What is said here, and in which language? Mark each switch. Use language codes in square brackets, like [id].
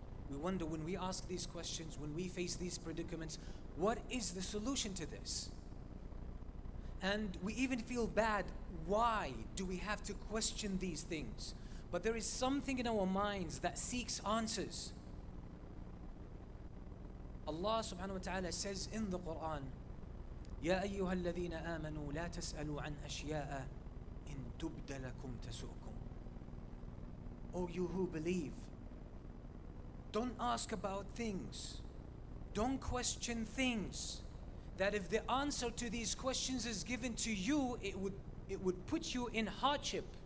[en] We wonder when we ask these questions, when we face these predicaments, what is the solution to this? And we even feel bad. Why do we have to question these things? But there is something in our minds that seeks answers. Allah subhanahu wa ta'ala says in the Quran, [ar] يَا أَيُّهَا الَّذِينَ آمَنُوا لَا تَسْأَلُوا عَنْ أَشْيَاءَ إِن تُبْدَ لَكُمْ تَسُؤْكُمْ. [en] O you who believe, don't ask about things. Don't question things. That if the answer to these questions is given to you, it would put you in hardship.